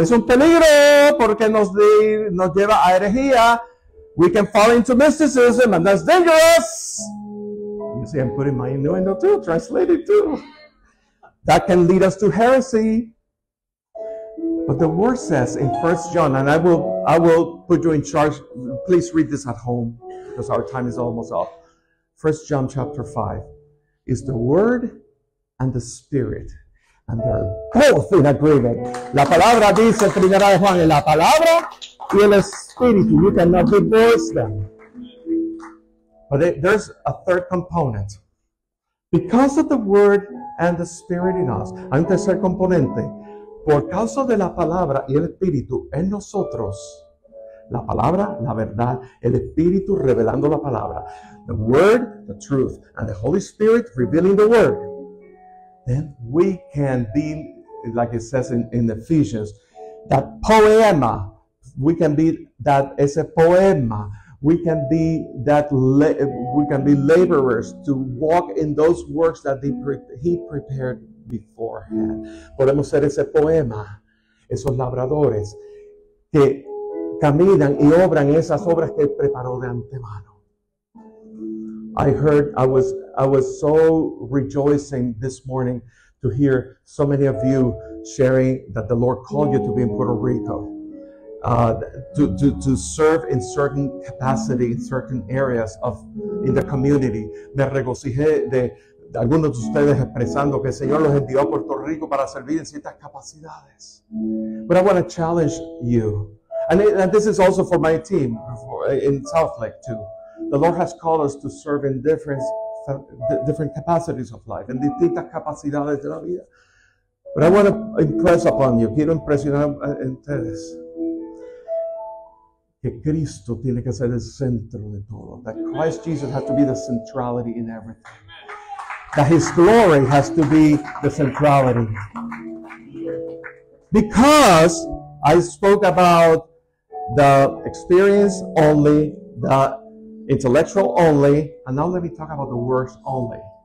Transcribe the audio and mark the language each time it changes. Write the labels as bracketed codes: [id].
[es] Es un peligro porque nos lleva a herejía. [en] We can fall into mysticism and that's dangerous. You see, I'm putting my innuendo too, translated too. That can lead us to heresy. But the word says in 1 John, and I will put you in charge. Please read this at home, because our time is almost up. 1 John chapter 5 is the word and the spirit. And they're both in agreement. [es] La palabra dice, primera de Juan, la palabra y el espíritu. [en] You cannot divorce them. But there's a third component. Because of the word and the spirit in us, [es] hay un tercer componente. Por causa de la palabra y el espíritu en nosotros, la palabra, [en] la verdad, el espíritu revelando la palabra, the word, the truth, and the Holy Spirit revealing the word, then we can be, like it says in Ephesians, that poema, we can be that [es] ese poema. [en] We can be laborers to walk in those works that he prepared beforehand. [es] Podemos ser ese poema, esos labradores que caminan y obran esas obras que él preparó de antemano. [en] I was so rejoicing this morning to hear so many of you sharing that the Lord called you to be in Puerto Rico. To serve in certain capacity, in certain areas of in the community. [es] Me regocijé de algunos de ustedes expresando que el Señor los envió a Puerto Rico para servir en ciertas capacidades. [en] But I want to challenge you. And this is also for my team in Southlake too. The Lord has called us to serve in different capacities of life, [es] en distintas capacidades de la vida. [en] But I want to impress upon you. [es] Quiero impresionar a ustedes. Que Cristo tiene que ser el centro de todo. [en] That Christ Jesus has to be the centrality in everything. That his glory has to be the centrality. Because I spoke about the experience only, the intellectual only, and now let me talk about the works only.